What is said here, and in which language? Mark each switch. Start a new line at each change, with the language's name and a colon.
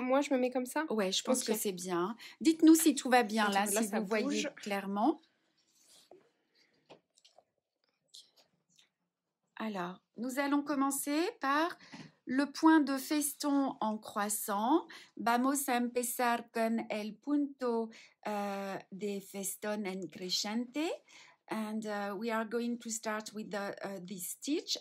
French: Moi, je me mets comme ça. Ouais, je pense okay. que c'est bien. Dites-nous si tout va bien là, si vous voyez clairement. Alors, nous allons commencer par le point de feston en croissant.
Spanish: Vamos a empezar con el punto de feston en crescente.
English: And we are going to start with this stitch.